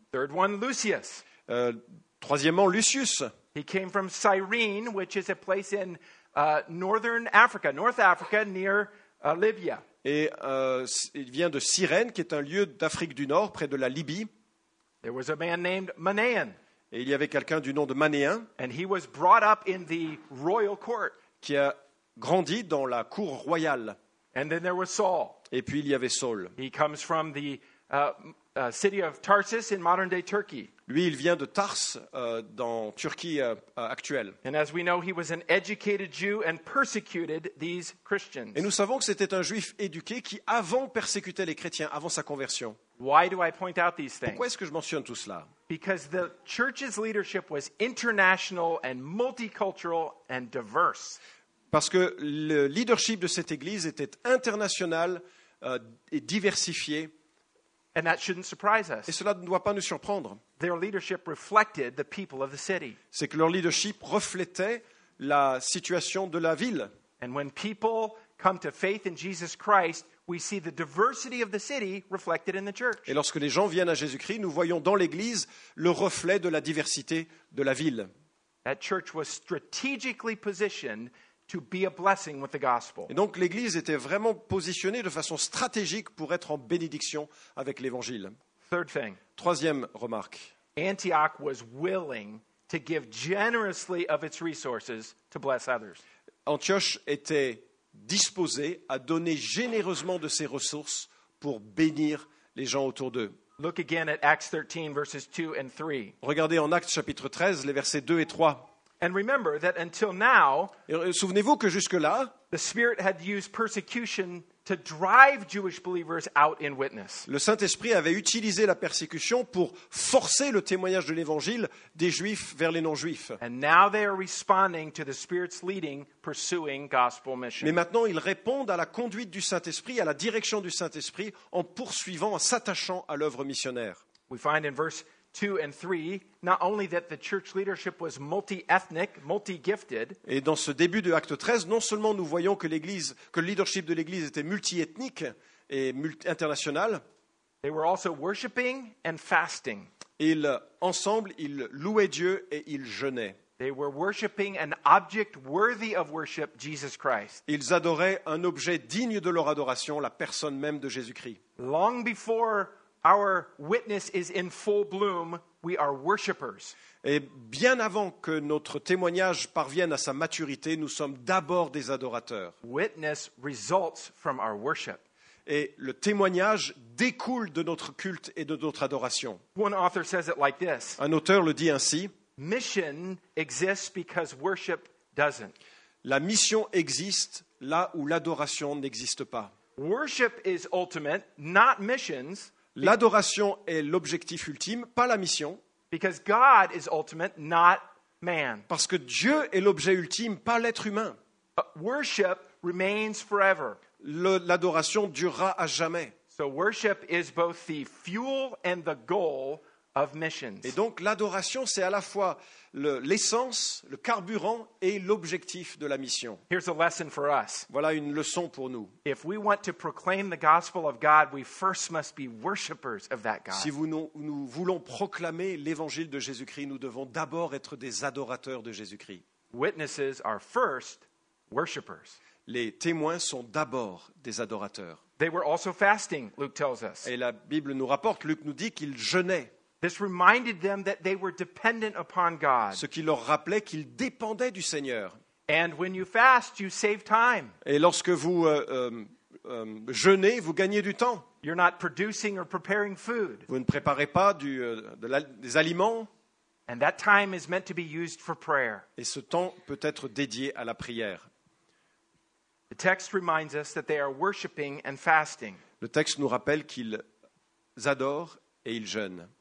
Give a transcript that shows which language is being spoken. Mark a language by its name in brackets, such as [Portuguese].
[English] Third one, Lucius. [French] Troisièmement, Lucius. [English] He came from Cyrene, which is a place in northern Africa, North Africa, near Libya. [French] Et il vient de Cyrène, qui est un lieu d'Afrique du Nord, près de la Libye. [English] There was a man named Manaen. [French] Et il y avait quelqu'un du nom de Manéen. [English] And he was brought up in the royal court. [French] Qui a grandi dans la cour royale. [English] And then there was Saul. [French] Et puis il y avait Saul. [English] He comes from the city of Tarsus in modern-day Turkey. [French] Lui, il vient de Tars, dans Turquie actuelle. [English] And as we know, he was an educated Jew and persecuted these Christians. [French] Et nous savons que c'était un juif éduqué qui avant persécutait les chrétiens, avant sa conversion. [English] Why do I point out these things? [French] Pourquoi est-ce que je mentionne tout cela? [English] Because the church's leadership was international and multicultural and diverse. [French] Parce que le leadership de cette église était international et diversifié. [English] And that shouldn't surprise us. [French] Et cela ne doit pas nous surprendre. [English] Their leadership reflected the people of the city. [French] C'est que leur leadership reflétait la situation de la ville. [English] And when people come to faith in Jesus Christ, we see the diversity of the city reflected in the church. [French] Et lorsque les gens viennent à Jésus-Christ, nous voyons dans l'église le reflet de la diversité de la ville. [English] That church was strategically positioned to be a blessing with the gospel. [French] Et donc l'église était vraiment positionnée de façon stratégique pour être en bénédiction avec l'évangile. [English] Third thing. [French] Troisième remarque. [English] Antioch was willing to give generously of its resources to bless others. [French] Antioche était disposé à donner généreusement de ses ressources pour bénir les gens autour d'eux. [English] Look again at Acts 13, verses 2 and 3. [French] Regardez en Actes chapitre 13, les versets 2 et 3. [English] And remember that until now, [French] souvenez-vous que jusque-là, [English] the Spirit had used persecution to drive Jewish believers out in witness. [French] Le Saint-Esprit avait utilisé la persécution pour forcer le témoignage de l'évangile des Juifs vers les non-Juifs. [English] And now they are responding to the Spirit's leading, pursuing gospel mission. [French] Mais maintenant, ils répondent à la conduite du Saint-Esprit, à la direction du Saint-Esprit, en poursuivant, en s'attachant à l'œuvre missionnaire. [English] We find in verse 2 and 3, not only that the church leadership was multi-ethnic, multi-gifted. [French] Et dans ce début de acte 13, non seulement nous voyons que l'église, que le leadership de l'église était multi-ethnique et international. [English] They were also worshiping and fasting. [French] Ils ensemble, ils louaient Dieu et ils jeûnaient. [English] They were worshiping an object worthy of worship, Jesus Christ. [French] Ils adoraient un objet digne de leur adoration, la personne même de Jésus-Christ. [English] Long before our witness is in full bloom, we are worshipers. [French] Et bien avant que notre témoignage parvienne à sa maturité, nous sommes d'abord des adorateurs. [English] Witness results from our worship. [French] Et le témoignage découle de notre culte et de notre adoration. [English] One author says it like this. [French] Un auteur le dit ainsi. [English] Mission exists because worship doesn't. [French] La mission existe là où l'adoration n'existe pas. [English] Worship is ultimate, not missions. [French] L'adoration est l'objectif ultime, pas la mission. [English] Because God is ultimate, not man. [French] Parce que Dieu est l'objet ultime, pas l'être humain. [English] Worship remains forever. [French] L'adoration durera à jamais. [English] So worship is both the fuel and the goal of missions. [French] Et donc l'adoration, c'est à la fois l'essence, le carburant et l'objectif de la mission. [English] Here's a lesson for us. [French] Voilà une leçon pour nous. [English] If we want to proclaim the gospel of God, we first must be worshipers of that God. [French] Si nous voulons proclamer l'évangile de Jésus-Christ, nous devons d'abord être des adorateurs de Jésus-Christ. [English] Witnesses are first worshipers. [French] Les témoins sont d'abord des adorateurs. [English] They were also fasting, Luke tells us. [French] Et la Bible nous rapporte, Luc nous dit qu'ils jeûnaient. [English] This reminded them that they were dependent upon God. [French] Ce qui leur rappelait qu'ils dépendaient du Seigneur. [English] And when you fast, you save time. [French] Et lorsque vous jeûnez, vous gagnez du temps. [English] You're not producing or preparing food. [French] Vous ne préparez pas des aliments. [English] And that time is meant to be used for prayer. [French] Et ce temps peut être dédié à la prière. [English] The text reminds us that they are worshiping and fasting. [French] Le texte nous rappelle qu'ils adorent et ils jeûnent.